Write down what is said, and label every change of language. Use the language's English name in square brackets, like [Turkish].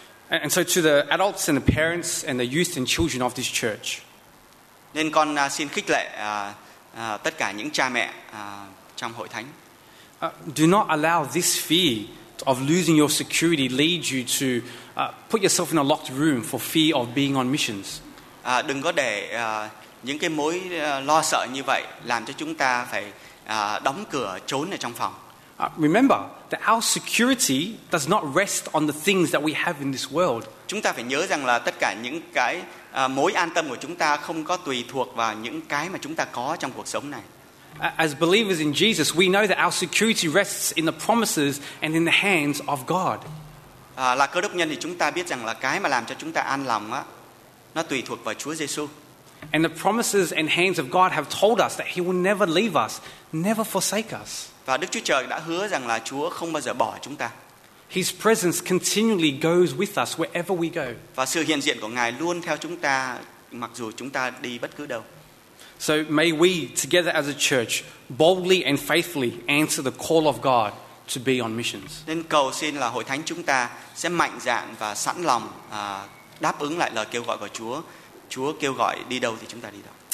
[English] And so to the adults and the parents and the youth and children of this church. [Vietnamese] Nên con xin khích lệ tất cả những cha mẹ trong hội thánh. [English] Do not allow this fear of losing your security lead you to put yourself in a locked room for fear of being on missions. [Vietnamese] Đừng có để những cái mối lo sợ như vậy làm cho chúng ta phải đóng cửa trốn ở trong phòng. [English] Remember that our security does not rest on the things that we have in this world. [Vietnamese] Chúng ta phải nhớ rằng là tất cả những cái mối an tâm của chúng ta không có tùy thuộc vào những cái mà chúng ta có trong cuộc sống này. [English] As believers in Jesus, we know that our security rests in the promises and in the hands of God. [Vietnamese] Là Cơ Đốc nhân thì chúng ta biết rằng là cái mà làm cho chúng ta an lòng á, nó tùy thuộc vào Chúa Giêsu. [English] And the promises and hands of God have told us that He will never leave us, never forsake us. [Vietnamese] Và Đức Chúa Trời đã hứa rằng là Chúa không bao giờ bỏ chúng ta. [English] His presence continually goes with us wherever we go. [Vietnamese] Và sự hiện diện của Ngài luôn theo chúng ta mặc dù chúng ta đi bất cứ đâu. [English] So may we together as a church boldly and faithfully answer the call of God to be on missions. [Vietnamese] Nên cầu xin là hội thánh chúng ta sẽ mạnh dạn và sẵn lòng đáp ứng lại lời kêu gọi của Chúa. Chúa kêu gọi đi đâu thì chúng ta đi đâu.